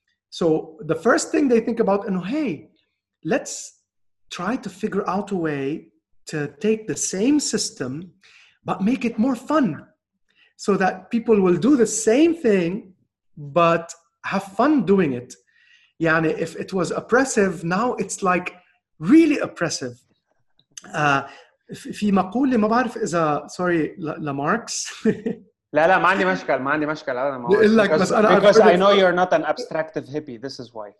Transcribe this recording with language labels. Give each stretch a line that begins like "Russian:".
English: So the first thing they think about, and hey, let's try to figure out a way to take the same system, but make it more fun so that people will do the same thing, but have fun doing it. Yani, if it was oppressive, now it's like really oppressive.
Arabic: في مقولة ما بعرف إذا sorry لماركس لا لا ما عندي مشكلة ما عندي مشكلة أنا ما بقول لك بس أنا
English: because I know you're not an abstractive hippie, this is why.